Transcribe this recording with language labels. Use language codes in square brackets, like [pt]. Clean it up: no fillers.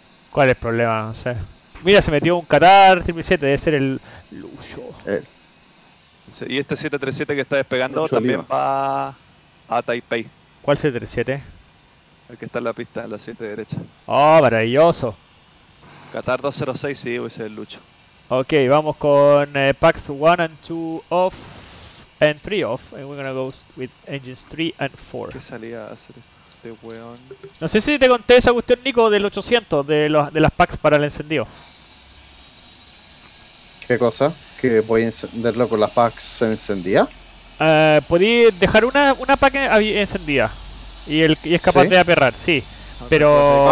[es] ¿Cuál es el problema? No sé. Mira, se metió un Qatar 37, debe ser el Lucho. Y este 737 que está despegando mucho también arriba. Va a Taipei. ¿Cuál 737? El que está en la pista, en la 7 de derecha. ¡Oh, maravilloso! Qatar 206, sí, ese es el Lucho. Ok, vamos con [en] PAX 1 and 2 off and 3 off. And we're gonna go with engines 3 and 4. [es] ¿Qué salía a hacer? este weón. No sé si te conté esa cuestión, Nico, del 800, de las packs para el encendido. ¿Qué cosa? ¿Que voy a encenderlo con las packs encendidas? Podí dejar una pack encendida. Y es capaz, ¿sí?, de aperrar, sí. Pero...